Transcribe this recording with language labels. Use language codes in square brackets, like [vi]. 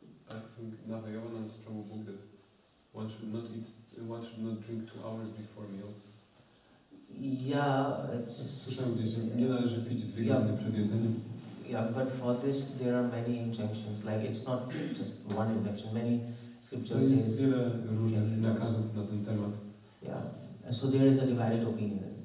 [en] I think Nahayana and Strong Buddha. One should not drink 2 hours before meal. Yeah, it's. [pl] Słyszałem gdzieś, że nie należy pić 2 godziny przed jedzeniem. [en] Yeah, but for this there are many injunctions. Like it's not just one injunction. Many scriptures say. [pl] Jest wiele różnych nakazów na ten temat. [en] Yeah, so there is a divided opinion.